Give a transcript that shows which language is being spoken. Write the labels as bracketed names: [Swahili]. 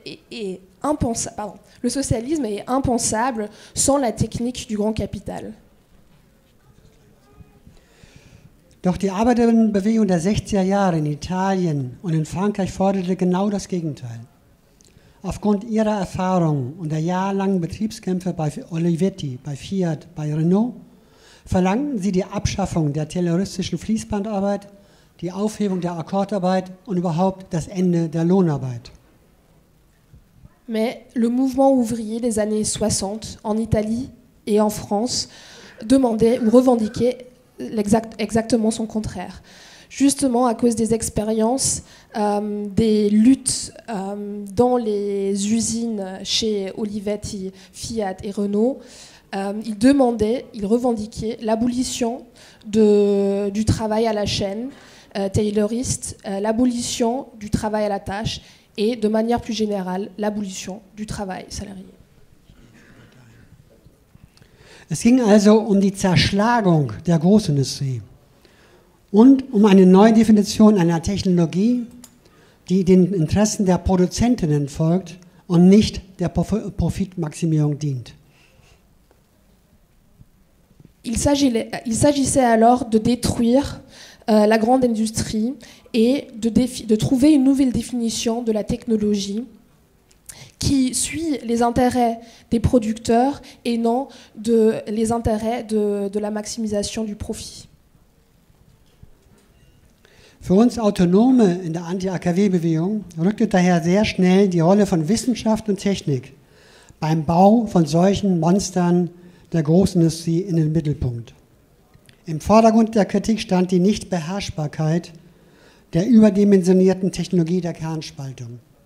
[French] Le socialisme est impensable sans la technique du grand capital. [German] Doch die Arbeiterbewegung der 60er Jahre in Italien und in Frankreich forderte genau das Gegenteil. Aufgrund ihrer Erfahrungen und der jahrelangen Betriebskämpfe bei Olivetti, bei Fiat, bei Renault, verlangten sie die Abschaffung der terroristischen Fließbandarbeit, die Aufhebung der Akkordarbeit und überhaupt das Ende der Lohnarbeit. [French] Mais le mouvement ouvrier des années 60 en Italie et en France demandait ou revendiquait exactement son contraire. Justement à cause des expériences, des luttes dans les usines chez Olivetti, Fiat et Renault, il revendiquait l'abolition du travail à la chaîne, tayloriste, l'abolition du travail à la tâche et de manière plus générale, l'abolition du travail salarié. [German] Es ging also um die Zerschlagung der Großindustrie und um eine neue Definition einer Technologie, die den Interessen der Produzentinnen folgt und nicht der Profitmaximierung dient. [French] Il s'agissait alors de détruire la grande industrie et de trouver une nouvelle définition de la technologie qui suit les intérêts des producteurs et non les intérêts de la maximisation du profit. [German] Für uns Autonome in der Anti-AKW-Bewegung rückte daher sehr schnell die Rolle von Wissenschaft und Technik beim Bau von solchen Monstern der Großindustrie in den Mittelpunkt. Im Vordergrund der Kritik stand die Nichtbeherrschbarkeit der überdimensionierten Technologie der Kernspaltung.